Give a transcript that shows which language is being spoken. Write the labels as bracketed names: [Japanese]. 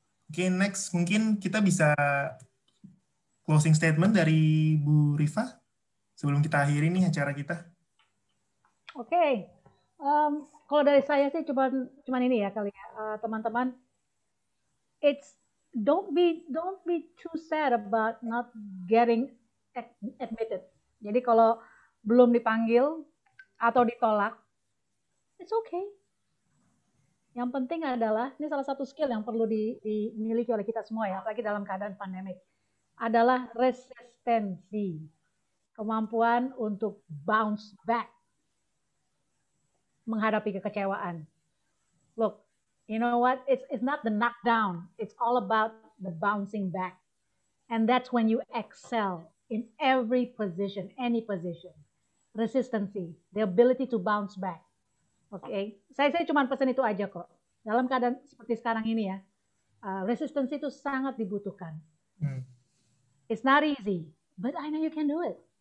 [Indonesian] Oke, next mungkin kita bisa closing statement dari Bu Rifa sebelum kita akhiri nih acara kita. Oke. Kalau dari saya sih cuman ini ya kali ya, teman-teman. [English] Don't be too sad about not getting admitted. [Indonesian] Jadi kalau belum dipanggil atau ditolak, [English] it's okay. [Indonesian] Yang penting adalah, ini salah satu skill yang perlu dimiliki oleh kita semua ya, apalagi dalam keadaan pandemik, adalah resistensi. Kemampuan untuk [English] bounce back. [Indonesian] Menghadapi kekecewaan. [English] Look, you know what? It's not the knockdown. It's all about the bouncing back. And that's when you excel in every position, any position. Resistensi, the ability to bounce back. Oke, okay. [Indonesian] Saya cuma pesan itu aja kok. Dalam keadaan seperti sekarang ini ya, resistensi itu sangat dibutuhkan. [English] It's not easy, but I know you can do it.